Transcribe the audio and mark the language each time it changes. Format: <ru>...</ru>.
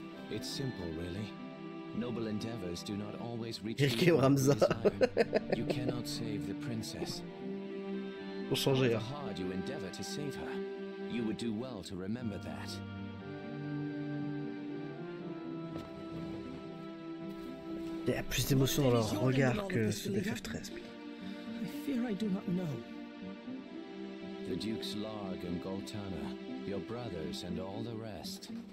<en>It's simple, really. Noble endeavors do not always reach the end of the desire. You cannot save the princess.</en> <fr>Pour changer.</fr> <en>However hard you endeavor to save her, you would do well to remember that.</en> <fr>Il y a plus d'émotion dans leur regard que ceux des FF13.</fr> <en>I fear I do not know. The Dukes Larg and Gul'tanna, your brothers and all the rest.</en>